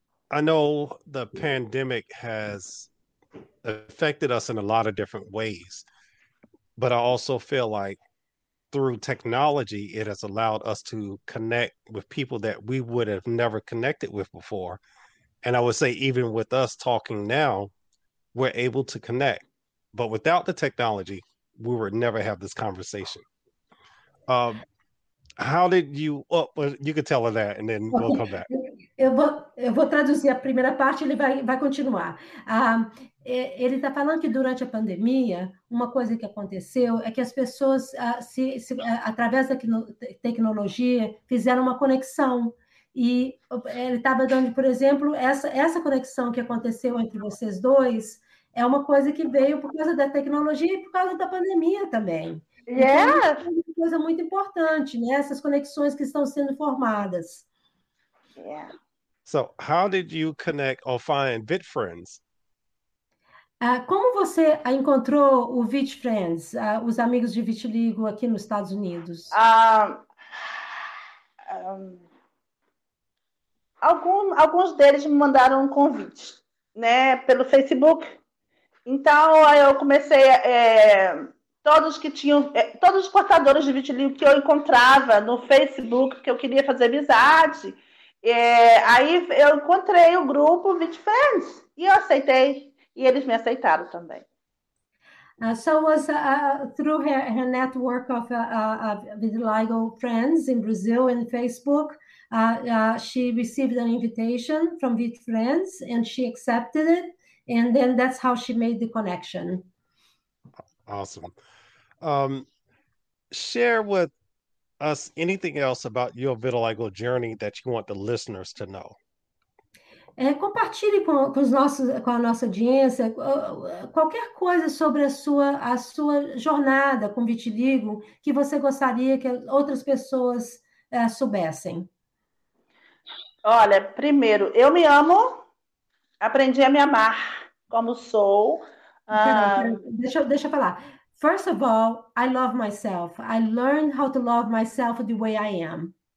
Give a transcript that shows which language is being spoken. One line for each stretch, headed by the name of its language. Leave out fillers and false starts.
English: I know the pandemic has affected us in a lot of different ways, but I also feel like through technology, it has allowed us to connect with people that we would have never connected with before. And I would say, even with us talking now, we're able to connect. But without the technology, we would never have this conversation. How did you? Oh, well, you could tell her that, and then we'll come back.
Portuguese: Eu vou traduzir a primeira parte e ele vai continuar. Ele está falando que durante a pandemia, uma coisa que aconteceu é que as pessoas, através da tecnologia, fizeram uma conexão. E ele estava dando, por exemplo, essa conexão que aconteceu entre vocês dois é uma coisa que veio por causa da tecnologia e por causa da pandemia também. E que é uma coisa muito importante, né? Essas conexões que estão sendo formadas.
English: So, how did you connect or find VitFriends?
Portuguese: Como você encontrou o VitFriends, os amigos de vitiligo aqui nos Estados Unidos? Alguns deles me mandaram um convite, né, pelo Facebook. Então, eu comecei todos os portadores de vitiligo que eu encontrava no Facebook, que eu queria fazer amizade. Aí eu encontrei o grupo vitiligo e eu aceitei, e eles me aceitaram também.
English: So it was through her network of vitiligo friends in Brazil and Facebook. She received an invitation from vitiligo friends and she accepted it. And then that's how she made the connection. Awesome. Share with us anything else about your vitiligo journey that you want the listeners to know.
Portuguese: Compartilhe com a nossa audiência qualquer coisa sobre a sua jornada com vitiligo que você gostaria que outras pessoas soubessem. Olha, primeiro, eu me amo, aprendi a me amar como sou. Peraí, deixa eu falar.
English: First of all, I love myself. I learned how to love myself the way I am.